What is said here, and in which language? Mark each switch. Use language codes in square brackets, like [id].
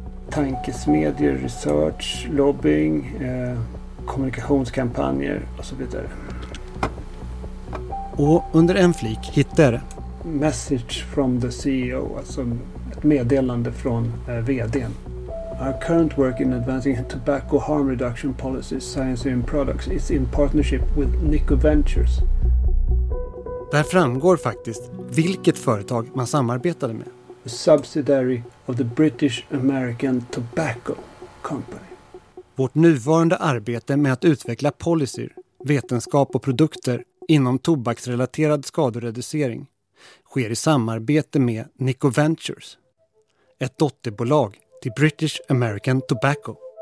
[sv] Tankesmedier, research, lobbying, kommunikationskampanjer och så vidare. Och under en flik hittar [en] message from the CEO, [sv] alltså ett meddelande från vdn. [en] Our current work in advancing tobacco harm reduction policies, science and products is in partnership with Nico Ventures. [sv] Där framgår faktiskt vilket företag man samarbetade med. [en] A subsidiary of the British American Tobacco Company. [sv] Vårt nuvarande arbete med att utveckla policyer, vetenskap och produkter inom tobaksrelaterad skadereducering sker i samarbete med Nico Ventures, ett dotterbolag till British American Tobacco.